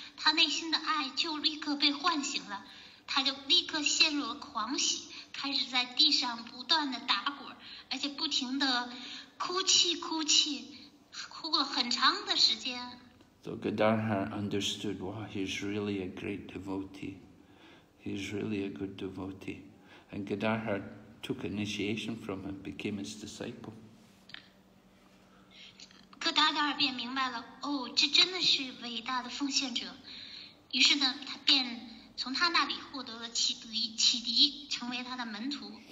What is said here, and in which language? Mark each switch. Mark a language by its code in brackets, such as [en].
[zh] 他内心的爱就立刻被唤醒了，他就立刻陷入了狂喜，开始在地上不断的打滚，而且不停的哭泣，哭了很长的时间。 [en] So Gadadhar understood, wow, he's really a great devotee. He's really a good devotee. And Gadadhar took initiation from him, became his disciple. [zh] 格达达尔便明白了，哦，这真的是伟大的奉献者。于是呢，他便从他那里获得了启迪，成为他的门徒。